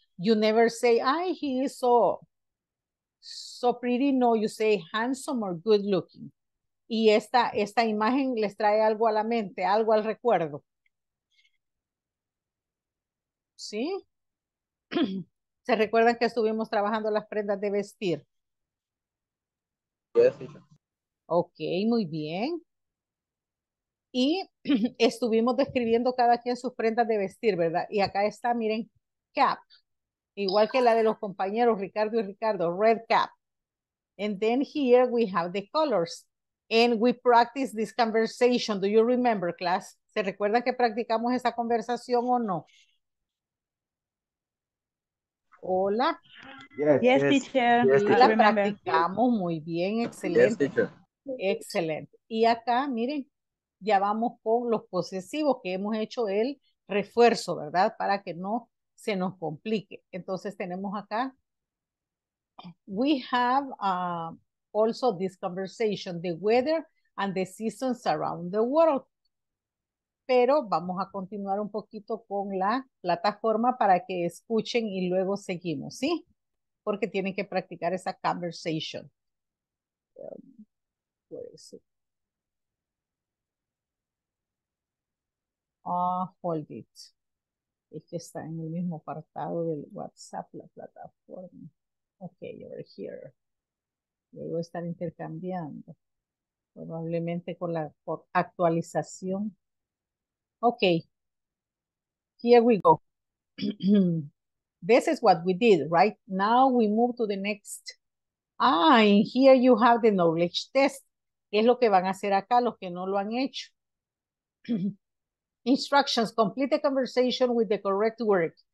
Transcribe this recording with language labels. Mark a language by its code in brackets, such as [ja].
[en] You never say, ay, he is so pretty. No, you say handsome or good looking. [es] Y esta imagen les trae algo a la mente, algo al recuerdo. ¿Sí? ¿Se recuerdan que estuvimos trabajando las prendas de vestir? [en] Yes, [es] ok, muy bien. y estuvimos describiendo cada quien sus prendas de vestir, ¿verdad? Y acá está, miren, cap, igual que la de los compañeros Ricardo y Ricardo, [en] red cap. And then here we have the colors. And we practice this conversation. Do you remember, class? [es] ¿Se recuerdan que practicamos esa conversación o no? Hola. [en] Yes, yes, teacher. Yes, teacher. [es] La practicamos muy bien, excelente. [en] Yes, teacher. [es] Excelente. Y acá, miren, ya vamos con los posesivos que hemos hecho el refuerzo, ¿verdad? Para que no se nos complique. Entonces tenemos acá, [en] we have also this conversation, the weather and the seasons around the world. [es] Pero vamos a continuar un poquito con la plataforma para que escuchen y luego seguimos, ¿sí? Porque tienen que practicar esa conversation. [en] Where is it? Hold it. [es] Es que está en el mismo apartado del WhatsApp, la plataforma. [en] Okay, over here. [es] Luego estar intercambiando. Probablemente con la actualización. [en] Okay, here we go. This is what we did, right? Now we move to the next. Ah, and here you have the knowledge test. [es] Es lo que van a hacer acá los que no lo han hecho. [en] Instructions, complete the conversation with the correct word.